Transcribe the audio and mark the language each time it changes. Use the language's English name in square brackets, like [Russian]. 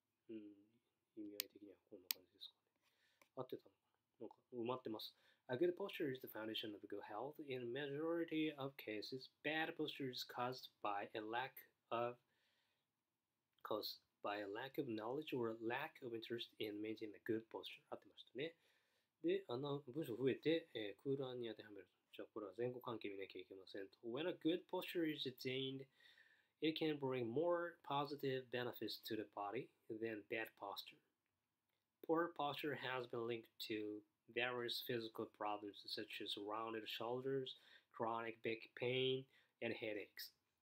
[Japanese] 意味合い的にはこんな感じですかね。合ってたのか。なんか埋まってます。 [English] A good posture is the foundation of good health. In majority of cases, bad posture is caused by a lack of knowledge or a lack of interest in maintaining a good posture. [Japanese] 合ってましたね。で、あの文章増えて、空欄に当てはめると。じゃあこれは前後関係見なきゃいけませんと。 [English] When a good posture is attainedIt can bring more positive benefits to the body than bad posture. Poor posture has been linked to various physical problems such as rounded shoulders, chronic back pain, and headaches.